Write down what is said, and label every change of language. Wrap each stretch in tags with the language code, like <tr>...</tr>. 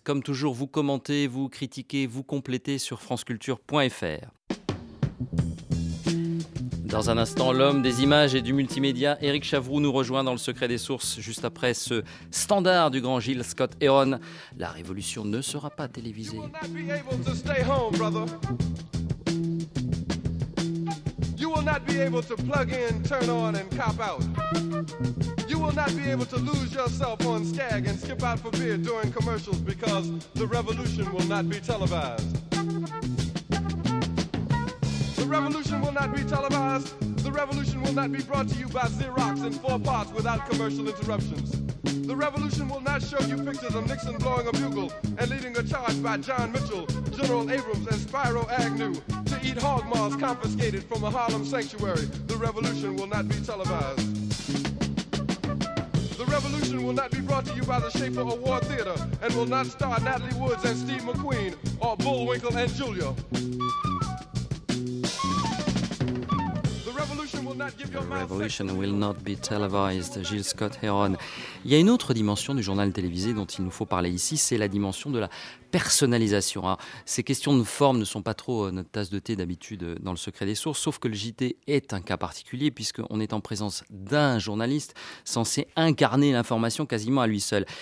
<fr>Comme toujours, vous commentez, vous critiquez, vous complétez sur franceculture.fr. Dans un instant, l'homme des images et du multimédia, Éric Chavroux, nous rejoint dans le Secret des Sources, juste après ce standard du grand Gilles Scott Heron. La révolution ne sera pas télévisée.</fr> <en>You will not be able to stay home, brother. You will not be able to plug in, turn on and cop out. You will not be able to lose yourself on Skag and skip out for beer during commercials because the revolution will not be televised. The revolution will not be televised. The revolution will not be brought to you by Xerox in 4 parts without commercial interruptions. The revolution will not show you pictures of Nixon blowing a bugle and leading a charge by John Mitchell, General Abrams, and Spiro Agnew to eat hog maws confiscated from a Harlem sanctuary. The revolution will not be televised. The revolution will not be brought to you by the Schaefer Award Theater and will not star Natalie Woods and Steve McQueen or Bullwinkle and Julia. Revolution. Revolution will not be televised, Jill Scott Heron.</en> <fr>Il y a une autre dimension du journal télévisé dont il nous faut parler ici, c'est la dimension de la personnalisation. Alors, ces questions de forme ne sont pas trop notre tasse de thé d'habitude dans le secret des sources, sauf que le JT est un cas particulier puisqu'on est en présence d'un journaliste censé incarner l'information quasiment à lui seul.</fr>